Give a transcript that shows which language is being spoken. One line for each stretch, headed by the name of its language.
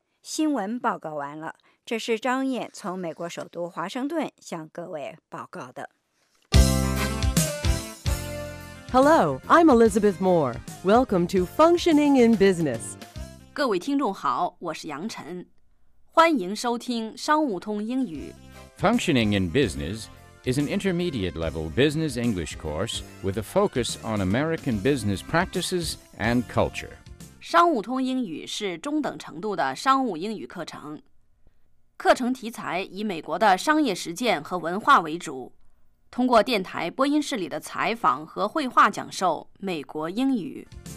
Chinese: 新闻报告完了，这是张燕从美国首都华盛顿向各位报告的。
English: Hello, I'm Elizabeth Moore. Welcome to Functioning in Business.
Chinese: 各位听众好，我是杨晨，欢迎收听商务通英语。
English: Functioning in Business is an intermediate-level business English course with a focus on American business practices and culture.
Chinese: 商务通英语是中等程度的商务英语课程，课程题材以美国的商业实践和文化为主，通过电台播音室里的采访和绘画讲授美国英语。